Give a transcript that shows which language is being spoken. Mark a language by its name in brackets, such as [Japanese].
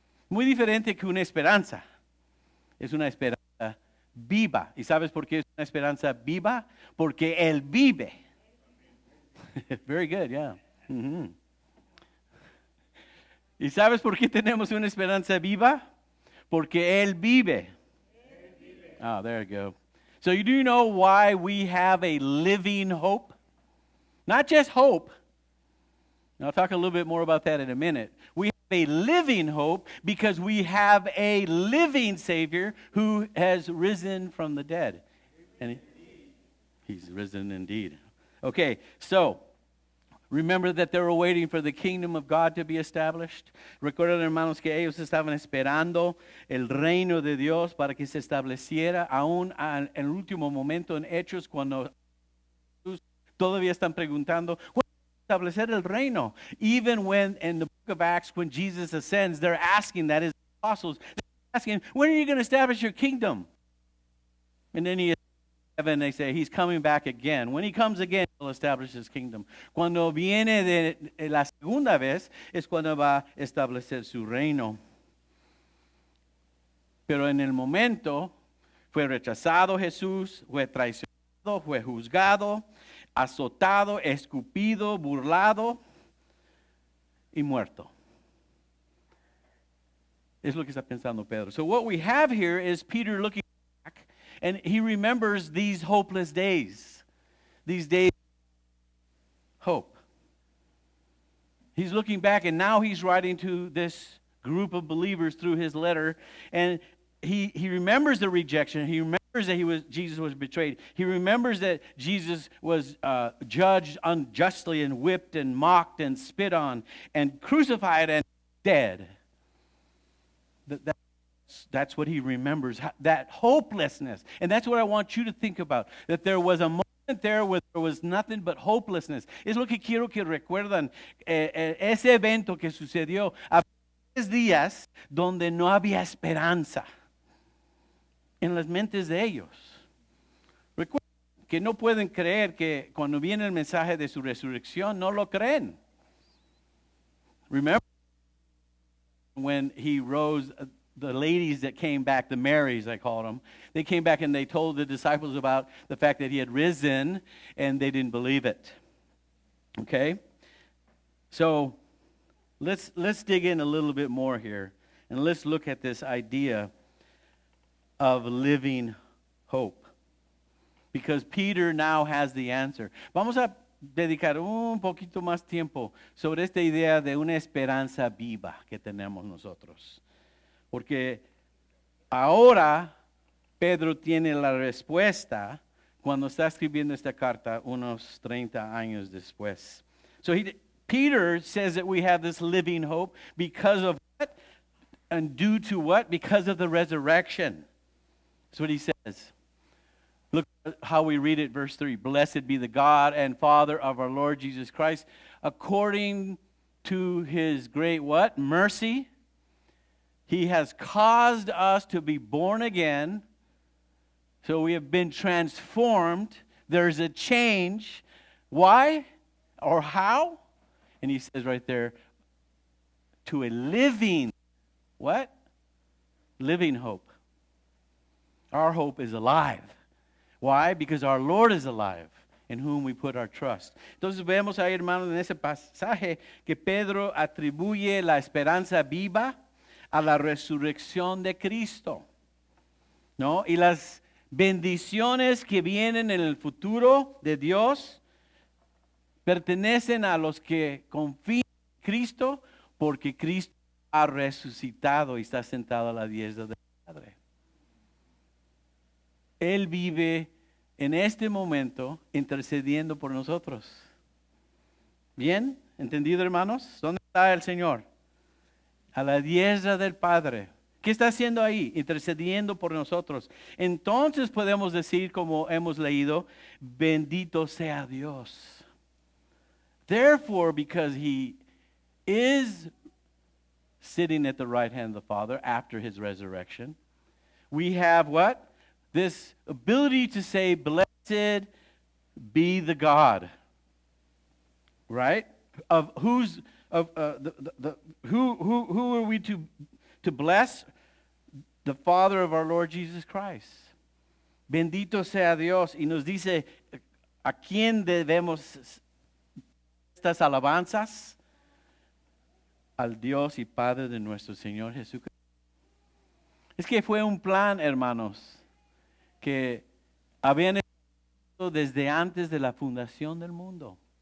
[Spanish] Muy diferente que una esperanza. Es una esperanza viva. ¿Y sabes por qué es una esperanza viva? Porque él vive. [English] Very good, yeah. [Spanish] Mm-hmm. ¿Y sabes por qué tenemos una esperanza viva? Porque él vive. [English] Oh, there you go. So do you know why we have a living hope? Not just hope. And I'll talk a little bit more about that in a minute. We have a living hope because we have a living Savior who has risen from the dead. And he's risen indeed. Okay, so remember that they were waiting for the kingdom of God to be established. [Spanish] Recuerden, hermanos, que ellos estaban esperando el reino de Dios para que se estableciera. Aún en el último momento en Hechos, cuando todavía están preguntando, ¿cuándo va a establecer el reino? [English] Even when in the book of Acts, when Jesus ascends, they're asking, that is, the apostles, they're asking, when are you going to establish your kingdom? And then heaven, they say, he's coming back again. When he comes again, he'll establish his kingdom. [Spanish] Cuando viene de la segunda vez, es cuando va a establecer su reino. Pero en el momento, fue rechazado Jesús, fue traicionado, fue juzgado, azotado, escupido, burlado y muerto. Es lo que está pensando Pedro. [English] So what we have here is Peter looking, and he remembers these hopeless days. These days of hope. He's looking back and now he's writing to this group of believers through his letter. And he remembers the rejection. He remembers that Jesus was betrayed. He remembers that Jesus was judged unjustly and whipped and mocked and spit on and crucified and dead. That's what he remembers, that hopelessness. And that's what I want you to think about, that there was a moment there where there was nothing but hopelessness. [Spanish] Es lo que quiero que recuerdan, ese evento que sucedió, a tres días donde no había esperanza en las mentes de ellos. Recuerden que no pueden creer que cuando viene el mensaje de su resurrección, no lo creen. [English] Remember when he rose, the ladies that came back, the Marys, I called them, they came back and they told the disciples about the fact that he had risen and they didn't believe it. Okay? So, let's dig in a little bit more here and let's look at this idea of living hope. because Peter now has the answer. [Spanish] Vamos a dedicar un poquito más tiempo sobre esta idea de una esperanza viva que tenemos nosotros. Porque ahora Pedro tiene la respuesta cuando está escribiendo esta carta unos 30 años después. [English] So Peter says that we have this living hope because of what? And due to what? Because of the resurrection. That's what he says. Look how we read it, verse 3. Blessed be the God and Father of our Lord Jesus Christ. According to his great what? Mercy. He has caused us to be born again. So we have been transformed. There's a change. Why? Or how? And he says right there, to a living, what? Living hope. Our hope is alive. Why? Because our Lord is alive, in whom we put our trust. [Spanish] Entonces vemos ahí, hermanos, en ese pasaje que Pedro atribuye la esperanza viva a la resurrección de Cristo, ¿no? Y las bendiciones que vienen en el futuro de Dios pertenecen a los que confían en Cristo, porque Cristo ha resucitado y está sentado a la diestra del Padre. Él vive en este momento intercediendo por nosotros. ¿Bien? ¿Entendido, hermanos? ¿Dónde está el Señor? A la diestra del Padre. ¿Qué está haciendo ahí? Intercediendo por nosotros. Entonces podemos decir, como hemos leído, bendito sea Dios. [English] Therefore, because he is sitting at the right hand of the Father after his resurrection, we have what? This ability to say, blessed be the God. Right? Of who's, of who are we to bless? The Father of our Lord Jesus Christ. [Spanish] Bendito sea Dios. Y nos dice, ¿a quién debemos estas alabanzas? Al Dios y Padre de nuestro Señor Jesucristo. Es que fue un plan, hermanos, que habían hecho desde antes de la fundación del mundo.